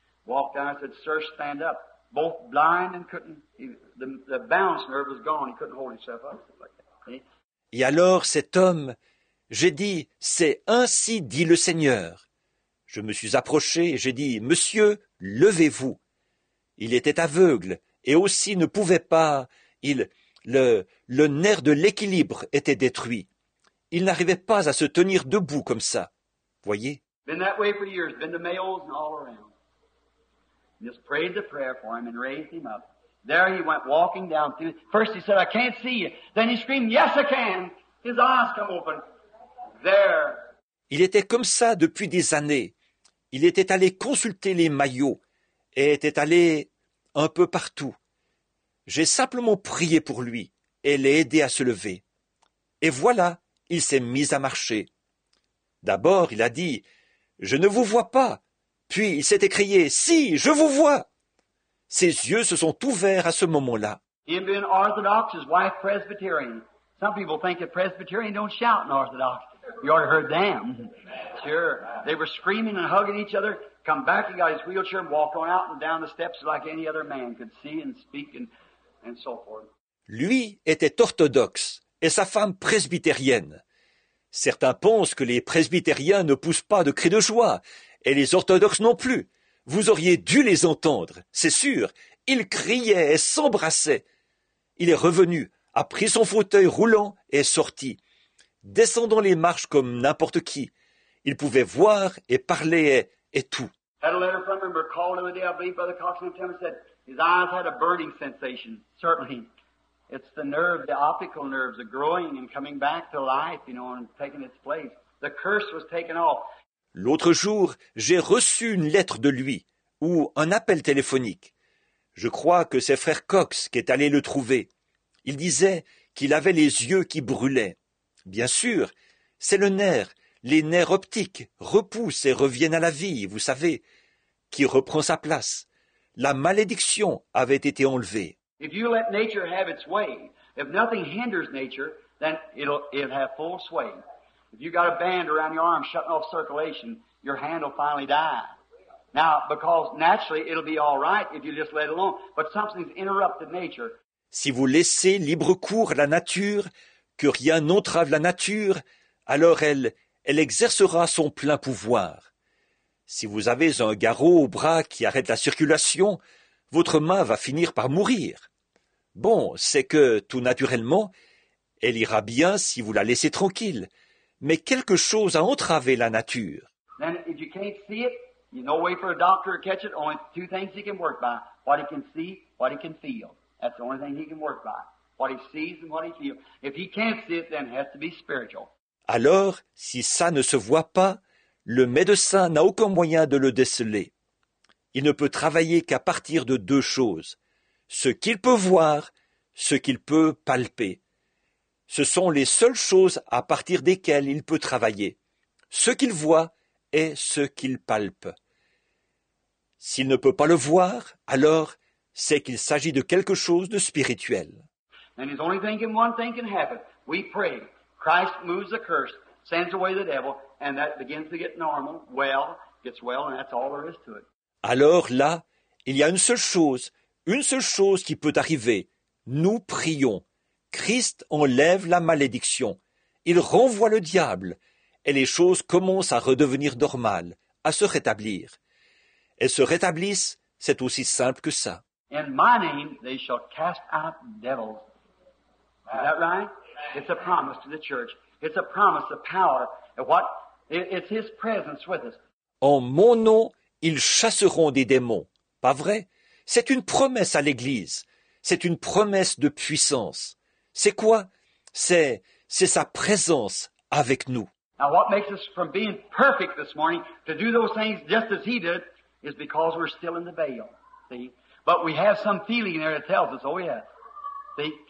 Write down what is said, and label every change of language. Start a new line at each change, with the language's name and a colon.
English: Walked down, I said, sir, stand up. Both blind and the balance nerve was gone. He couldn't hold himself up. See?
French: Et alors cet homme, j'ai dit, c'est ainsi dit le Seigneur. Je me suis approché et j'ai dit, monsieur, levez-vous. Il était aveugle et aussi ne pouvait pas, le nerf de l'équilibre était détruit. Il n'arrivait pas à se tenir debout comme ça, voyez.
English: Been that way for years, been to Mayo's and all around. Just prayed the prayer for him and raised him up. There he went walking down through. First he said, I can't see you. Then he screamed, yes, I can. His eyes come open. There.
French: Il était comme ça depuis des années. Il était allé consulter les maillots et était allé un peu partout. J'ai simplement prié pour lui et l'ai aidé à se lever. Et voilà, il s'est mis à marcher. D'abord, il a dit, je ne vous vois pas. Puis il s'est écrié, si, je vous vois. Ses yeux se sont ouverts à ce moment-là.
English: Him being Orthodox, his wife Presbyterian. Some people think that Presbyterian don't shout in Orthodox. You already heard them. Sure. They were screaming and hugging each other. Come back, he got his wheelchair and walked on out and down the steps like any other man could see and speak and so forth.
French: Lui était orthodoxe et sa femme presbytérienne. Certains pensent que les presbytériens ne poussent pas de cris de joie et les orthodoxes non plus. Vous auriez dû les entendre, c'est sûr. Il criait et s'embrassait. Il est revenu, a pris son fauteuil roulant et est sorti, descendant les marches comme n'importe qui. Il pouvait voir et parler et tout.
English: Had a letter from him, recalled the day, I believe Brother Cox and Tim said, his eyes had a burning sensation, certainly. It's the nerve, the optical nerves are growing and coming back to life, you know, and taking its place. The curse was taken off.
French: L'autre jour, j'ai reçu une lettre de lui, ou un appel téléphonique. Je crois que c'est frère Cox qui est allé le trouver. Il disait qu'il avait les yeux qui brûlaient. Bien sûr, c'est le nerf, les nerfs optiques repoussent et reviennent à la vie, vous savez, qui reprend sa place. La malédiction avait été enlevée.
English: If you let nature have its way, if nothing hinders nature, then it'll have full sway. If you got a band around your arm shutting off circulation, your hand will finally die. Now, because naturally it'll be all right if you just let it alone, but something's interrupted nature.
French: Si vous laissez libre cours à la nature, que rien n'entrave la nature, alors elle exercera son plein pouvoir. Si vous avez un garrot au bras qui arrête la circulation, votre main va finir par mourir. Bon, c'est que tout naturellement, elle ira bien si vous la laissez tranquille. Mais quelque chose a entravé la nature.
English: Then if you can't see it, you know way for a doctor to catch it, only two things he can work by. What he can see, what he can feel. That's the only thing he can work by. What he sees and what he feels. If he can't see it, then it has to be spiritual.
French: Alors, si ça ne se voit pas, le médecin n'a aucun moyen de le déceler. Il ne peut travailler qu'à partir de deux choses. Ce qu'il peut voir, ce qu'il peut palper. Ce sont les seules choses à partir desquelles il peut travailler. Ce qu'il voit est ce qu'il palpe. S'il ne peut pas le voir, alors c'est qu'il s'agit de quelque chose de spirituel.
English: And he's only thinking one thing can happen. We pray. Christ moves the curse, sends away the devil, and that begins to get normal. Well, gets well, and that's all there is to it.
French: Alors là, il y a une seule chose qui peut arriver. Nous prions. Christ enlève la malédiction, il renvoie le diable, et les choses commencent à redevenir normales, à se rétablir. Elles se rétablissent, c'est aussi simple que ça.
English: In my name, they shall cast out devils. Is that right? It's a promise to the church. It's a promise of power. What? It's his presence with us.
French: En mon nom, ils chasseront des démons. Pas vrai? C'est une promesse à l'Église. C'est une promesse de puissance. C'est quoi? C'est sa présence avec nous.
English: Now what makes us from being perfect this morning to do those things just as he did is because we're still in the veil. See? But we have some feeling there that tells us, oh yes. See?